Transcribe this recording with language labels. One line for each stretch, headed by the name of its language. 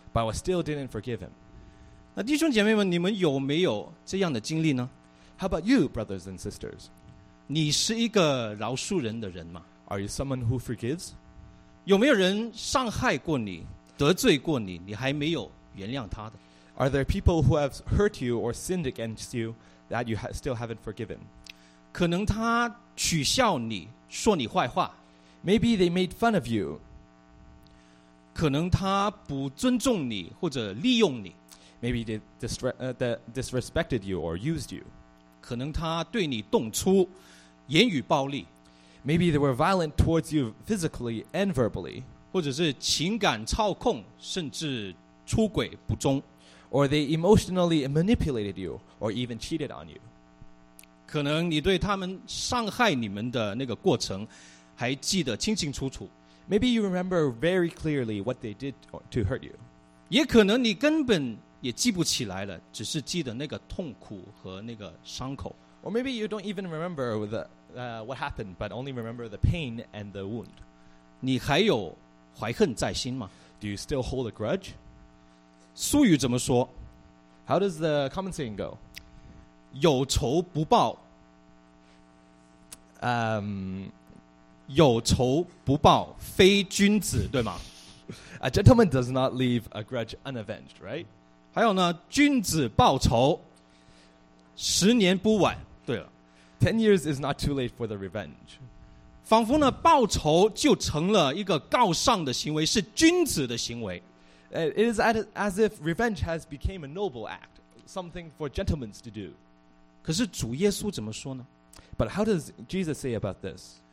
English: But I still didn't forgive him.
Chinese: 那弟兄姐妹们，你们有没有这样的经历呢？
English: How about you, brothers and sisters?
Chinese: 你是一个饶恕人的人吗？
English: Are you someone who forgives?
Chinese: 有没有人伤害过你，得罪过你，你还没有原谅他的？
English: Are there people who have hurt you or sinned against youThat you still haven't forgiven.
Chinese: 可能他取笑你，说你坏话。
English: Maybe they made fun of you.
Chinese: 可能他不尊重你，或者利用你。
English: Maybe they disrespected you or used you.
Chinese: 可能他对你动粗，言语暴力。
English: Maybe they were violent towards you physically and verbally.
Chinese: 或者是情感操控，甚至出轨不忠。
English: Or they emotionally manipulated you, or even cheated on you.
Chinese: 可能你对他们伤害你们的那个过程还记得清清楚楚。
English: Maybe you remember very clearly what they did to hurt you.
Chinese: 也可能你根本也记不起来了，只是记得那个痛苦和那个伤口。
English: Or maybe you don't even remember what happened, but only remember the pain and the wound.
Chinese: 你还有怀恨在心吗？
English: Do you still hold a grudge?
Chinese: 俗语怎么说?
English: How does the common saying go?
Chinese: 有仇不报.
English: A gentleman does not leave a grudge unavenged, right?
Chinese: 还有呢, 君子报仇, 十年不晚,
English: 10 years is not too late for the revenge.
Chinese: 仿佛呢, 报仇就成了一个高尚的行为, 是君子的行为。
English: It is as if revenge has become a noble act, something for gentlemen to do.
Chinese: 可是主耶稣怎么说呢?
English: But how does Jesus say about this?